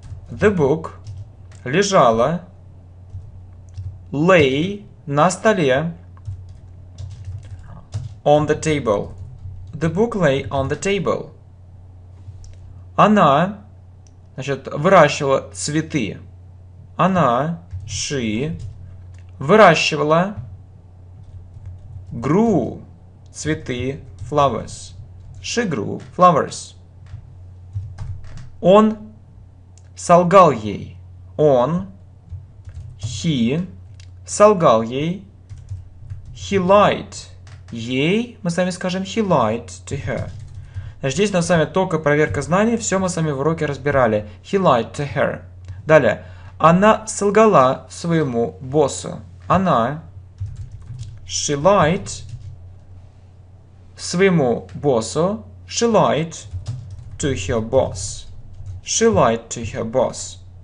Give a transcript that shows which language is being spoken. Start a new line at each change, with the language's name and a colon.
English: The book
Russian: лежала.
English: Lay
Russian: на столе.
English: On the table. The book lay on the table.
Russian: Она, значит, выращивала цветы. Она,
English: she,
Russian: выращивала.
English: Grew
Russian: цветы,
English: flowers. She grew flowers.
Russian: Он солгал ей. Он,
English: he,
Russian: солгал ей.
English: He lied
Russian: ей, мы с вами скажем,
English: he lied to her.
Russian: Значит, здесь у нас с вами только проверка знаний, все мы с вами в уроке разбирали.
English: He lied to her.
Russian: Далее. Она солгала своему боссу. Она,
English: she lied
Russian: своему боссу.
English: She lied to her boss. She lied to her boss.